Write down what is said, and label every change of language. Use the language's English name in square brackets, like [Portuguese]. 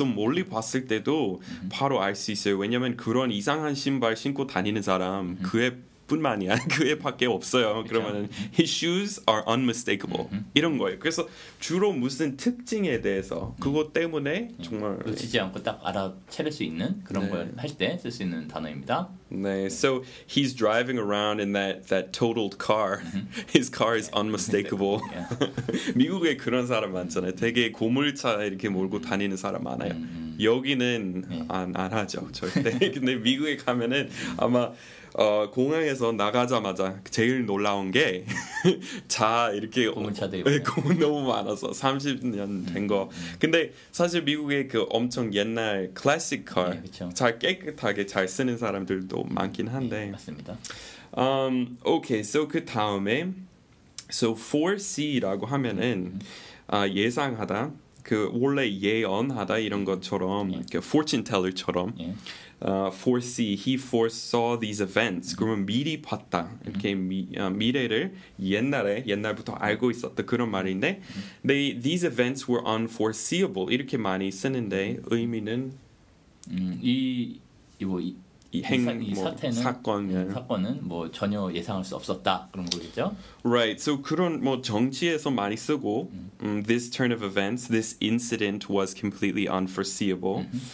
[Korean] So 멀리 봤을 때도 바로 알 수 있어요. 왜냐면 그런 이상한 신발 신고 다니는 사람 그의 뿐만이야. 그의 밖에 없어요. 그러면 [English] his shoes are unmistakable. [Korean] 이런 거예요. 그래서 주로 무슨 특징에 대해서 그것 때문에 정말 놓치지 않고 딱 알아채를 수 있는 그런 걸 할 때 쓸 수 있는 단어입니다. 네. 네. [English] So he's driving around in that totaled car. His car is unmistakable. [Korean] 미국에 그런 사람 많잖아요. 되게 고물차 이렇게 몰고 다니는 사람 많아요. 여기는 안 하죠. 절대. 근데 미국에 가면은 아마 공항에서 나가자마자 제일 놀라운 게 차 이렇게 고물차들이 너무 많아서 30년 된 거. 근데 사실 미국의 그 엄청 옛날 클래식 카 네, 그렇죠. 잘 깨끗하게 잘 쓰는 사람들도 많긴 한데 네, 맞습니다. Okay, so 그 다음에 so foresee라고 하면은 예상하다 그 원래 예언하다 이런 것처럼 네. 그 fortune teller처럼. 네. [English] Foresee, he foresaw these events. [Korean] 그러면 미리 봤다. 이렇게 미래를 옛날부터 알고 있었다. 그런 말인데, [English] these events were unforeseeable. [Korean] 이렇게 많이 쓰는데 의미는 사건은 뭐 전혀 예상할 수 없었다 그런 거겠죠. [English] Right, so [Korean] 그런 뭐 정치에서 많이 쓰고 [English] this turn of events, this incident was completely unforeseeable.